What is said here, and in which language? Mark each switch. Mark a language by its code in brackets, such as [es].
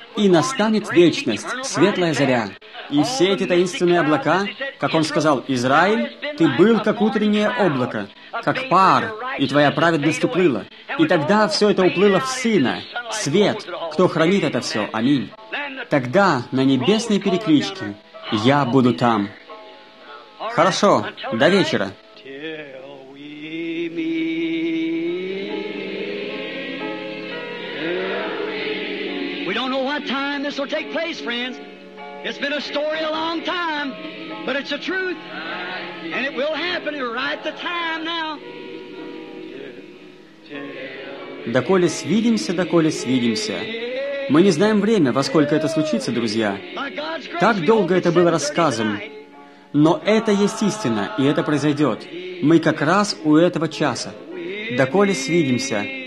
[ru] И настанет вечность, светлая заря. И все эти таинственные облака, как он сказал: «Израиль, ты был как утреннее облако, как пар, и твоя праведность уплыла». И тогда все это уплыло в Сына, свет, кто хранит это все. Аминь. Тогда, на небесной перекличке, я буду там. Хорошо, до вечера. [en] We don't know what time this will take place, friends. It's been a story a long time, but it's the truth. And it will happen right the time now. [ru] Доколе свидимся, доколе свидимся. Мы не знаем время, во сколько это случится, друзья. Так долго это было рассказом. Но это есть истина, и это произойдет. Мы как раз у этого часа. Доколе свидимся.